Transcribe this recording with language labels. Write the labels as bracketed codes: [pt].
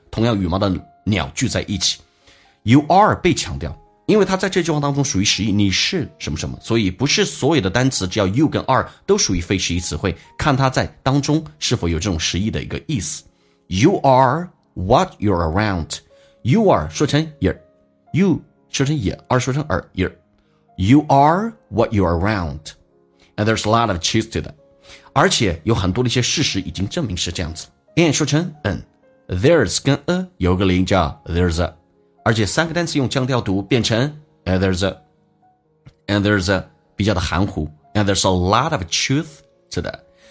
[zh] 同样羽毛的鸟聚在一起。You are 被强调，因为它在这句话当中属于实义，你是什么什么，所以不是所有的单词只要 you 跟 are 都属于非实义词汇，看它在当中是否有这种实义的一个意思。 [en] You are what you're around. You are 说成 you, you 说成 you, are 说成 are, you, you are what you're around. And there's a lot of truth to that. [zh] 而且有很多的一些事实已经证明是这样子。 [en] And 说成 and, there's 跟 a 有个连叫 there's a, [zh] 而且三个单词用降调读变成 [en] and there's a 比较的含糊 and there's a lot of truth to that.